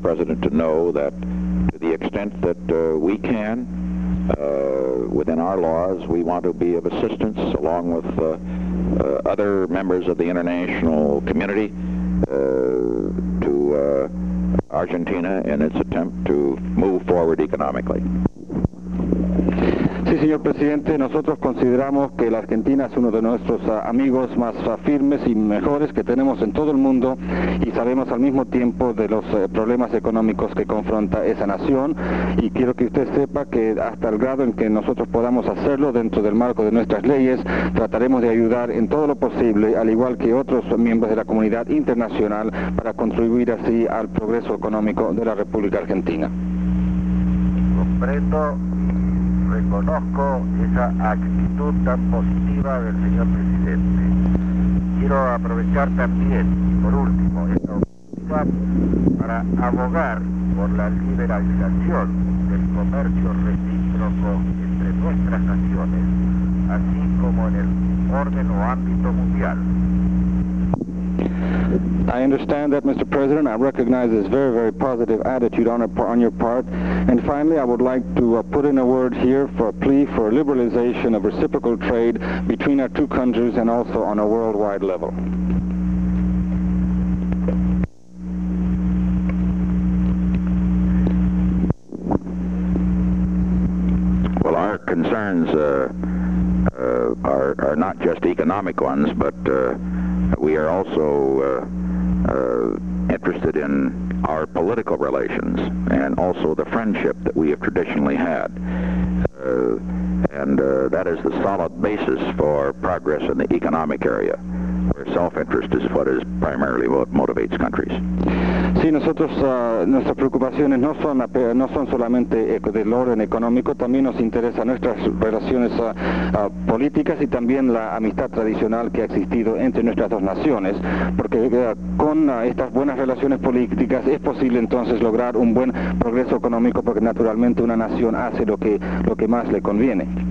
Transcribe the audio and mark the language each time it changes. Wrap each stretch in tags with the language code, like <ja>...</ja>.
<en>President, to know that to the extent that we can, within our laws, we want to be of assistance along with other members of the international community to Argentina in its attempt to move forward economically.</en> <es>Sí, señor presidente, nosotros consideramos que la Argentina es uno de nuestros amigos más firmes y mejores que tenemos en todo el mundo, y sabemos al mismo tiempo de los problemas económicos que confronta esa nación, y quiero que usted sepa que hasta el grado en que nosotros podamos hacerlo dentro del marco de nuestras leyes, trataremos de ayudar en todo lo posible, al igual que otros miembros de la comunidad internacional, para contribuir así al progreso económico de la República Argentina. Comprendo. Reconozco esa actitud tan positiva del señor presidente. Quiero aprovechar también, por último, esta oportunidad para abogar por la liberalización del comercio recíproco entre nuestras naciones, así como en el orden o ámbito mundial.</es> <en>I understand that, Mr. President. I recognize this very, very positive attitude on your part. And finally, I would like to put in a word here for a plea for a liberalization of reciprocal trade between our two countries and also on a worldwide level. Well, our concerns are not just economic ones, but we are also interested in our political relations and also the friendship that we have traditionally had. That is the solid basis for progress in the economic area, where self-interest is what is primarily what motivates countries.</en> <es>Sí, nosotros, nuestras preocupaciones no son solamente del orden económico, también nos interesan nuestras relaciones políticas y también la amistad tradicional que ha existido entre nuestras dos naciones, porque con estas buenas relaciones políticas es posible entonces lograr un buen progreso económico, porque naturalmente una nación hace lo que más le conviene.</es>